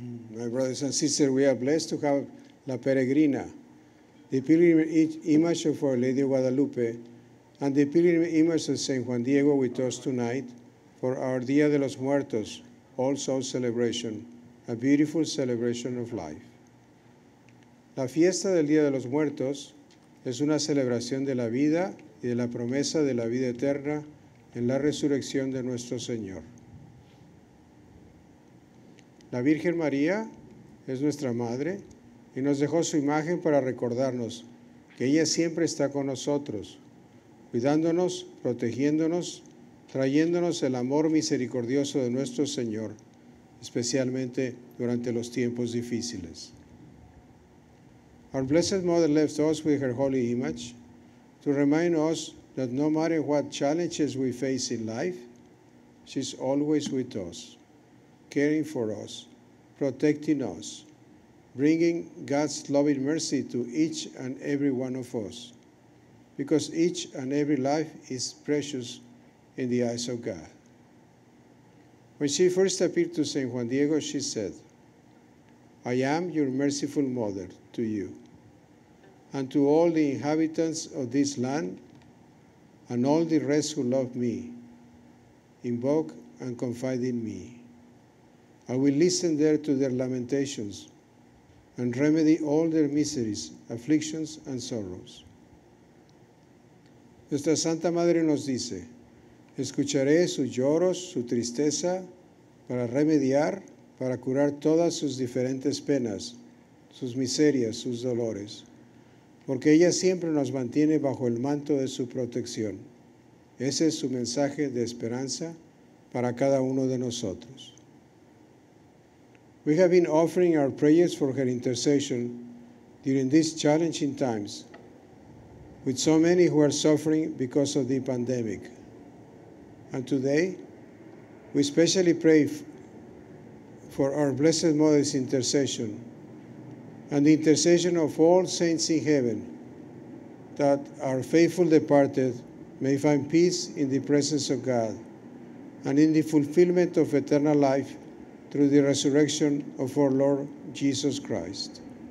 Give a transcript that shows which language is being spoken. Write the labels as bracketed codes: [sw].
[en] Brothers and sisters, we are blessed to have La Peregrina, the pilgrim image of Our Lady of Guadalupe, and the pilgrim image of San Juan Diego with us tonight for our Dia de los Muertos, also celebration, a beautiful celebration of life. [es] La fiesta del Dia de los Muertos es una celebración de la vida y de la promesa de la vida eterna en la resurrección de nuestro Señor. La Virgen María es nuestra madre y nos dejó su imagen para recordarnos que ella siempre está con nosotros, cuidándonos, protegiéndonos, trayéndonos el amor misericordioso de nuestro Señor, especialmente durante los tiempos difíciles. [en] Our Blessed Mother left us with her holy image to remind us that no matter what challenges we face in life, she's always with us, caring for us, protecting us, bringing God's loving mercy to each and every one of us, because each and every life is precious in the eyes of God. When she first appeared to San Juan Diego, she said, I am your merciful mother to you and to all the inhabitants of this land and all the rest who love me. Invoke and confide in me. I will listen there to their lamentations and remedy all their miseries, afflictions, and sorrows. [es] Nuestra Santa Madre nos dice, escucharé sus lloros, su tristeza, para remediar, para curar todas sus diferentes penas, sus miserias, sus dolores, porque ella siempre nos mantiene bajo el manto de su protección. Ese es su mensaje de esperanza para cada uno de nosotros. [en] We have been offering our prayers for her intercession during these challenging times with so many who are suffering because of the pandemic. And today, we especially pray for our Blessed Mother's intercession and the intercession of all saints in heaven that our faithful departed may find peace in the presence of God and in the fulfillment of eternal life through the resurrection of our Lord Jesus Christ.